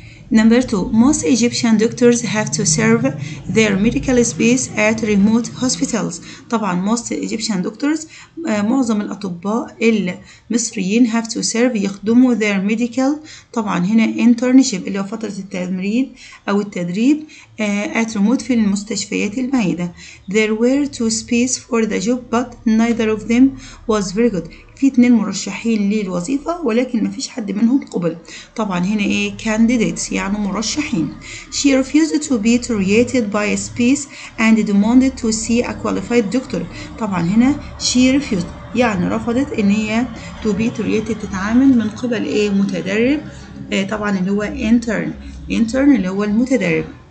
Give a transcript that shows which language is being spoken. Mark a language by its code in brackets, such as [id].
[en] Number two, most Egyptian doctors have to serve their medical space at remote hospitals. [ar] طبعا [en] most Egyptian doctors [ar] معظم الأطباء المصريين [en] have to serve [ar] يخدموا [en] their medical، [ar] طبعا هنا internship اللي هو فترة التمرين أو التدريب، [en] at remote [ar] في المستشفيات البعيدة. [en] There were two space for the job but neither of them was very good. [ar] في اتنين مرشحين للوظيفة ولكن ما فيش حد منهم قبل. طبعا هنا ايه [en] candidates [ar] يعني مرشحين. [en] She refused to be treated by a space and demanded to see a qualified doctor. [ar] طبعا هنا [en] she refused [ar] يعني رفضت ان هي [en] to be treated [ar] تتعامل من قبل ايه متدرب، طبعا اللي هو intern، intern اللي هو المتدرب.